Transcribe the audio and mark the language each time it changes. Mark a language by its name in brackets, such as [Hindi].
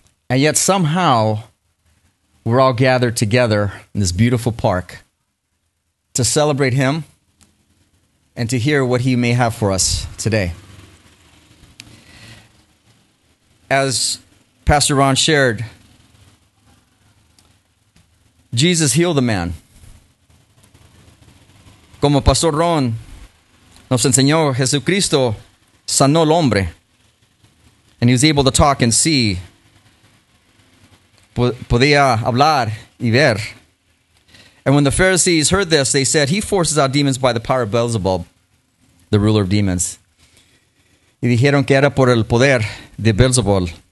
[English] And yet somehow, we're all gathered together in this beautiful park to celebrate him and to hear what he may have for us today. As Pastor Ron shared, Jesus healed the man. [Spanish] Como Pastor Ron nos enseñó, Jesucristo sanó el hombre. And he was able to talk and see. Podía hablar y ver. [English] And when the Pharisees heard this, they said, he forces out demons by the power of Beelzebub, the ruler of demons. [Spanish] Y dijeron que era por el poder de Beelzebub.